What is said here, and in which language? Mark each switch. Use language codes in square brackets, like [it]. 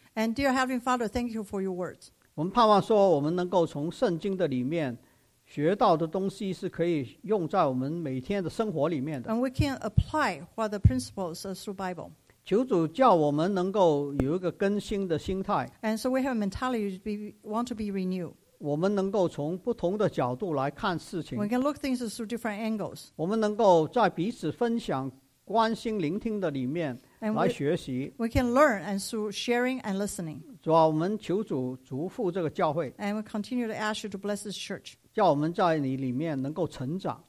[en] And dear Heavenly Father, thank you for your words. [zh] 我们盼望说我们能够从圣经的里面学到的东西是可以用在我们每天的生活里面的。 [en] And we can apply what the principles through Bible. [zh] 求主叫我们能够有一个更新的心态。 [en] And so we have a mentality we want to be renewed. [zh] 我们能够从不同的角度来看事情。 [en] We can look things through different angles. [zh] 我们能够在彼此分享 关心聆听的里面 来学习， [en] we can learn and through sharing and listening. [zh] 主啊，我们求主祝福这个教会， [en] and we continue to ask you to bless this church. [zh] 叫我们在你里面能够成长，